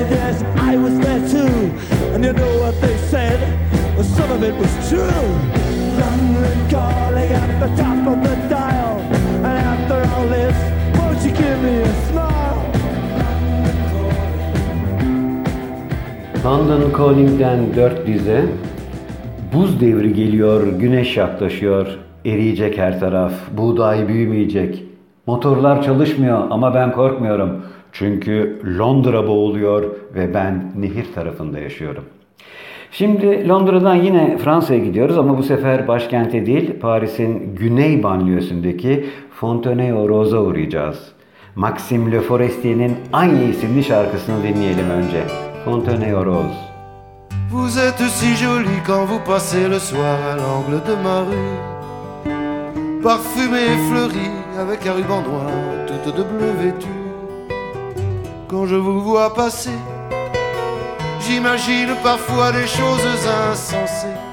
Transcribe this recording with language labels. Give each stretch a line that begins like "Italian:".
English: you know what they said? Well, some of it was true. London calling at the top of the dial. And after all this, won't you give me a smile?
Turkish: London Calling'den dört dize. Buz devri geliyor, güneş yaklaşıyor. Eriyecek her taraf, buğday büyümeyecek. Motorlar çalışmıyor ama ben korkmuyorum. Çünkü Londra boğuluyor ve ben nehir tarafında yaşıyorum. Şimdi Londra'dan yine Fransa'ya gidiyoruz ama bu sefer başkente değil, Paris'in güney banliyösündeki Fontenay aux Roses'a uğrayacağız. Maxime Le Forestier'in Anne isimli şarkısını dinleyelim önce. Fontenay aux Roses.
French: Vous êtes si jolie quand vous passez le soir à l'angle de ma rue. Parfumée et fleurie avec un ruban noir, toute de bleu vêtue. Quand je vous vois passer, j'imagine parfois des choses insensées.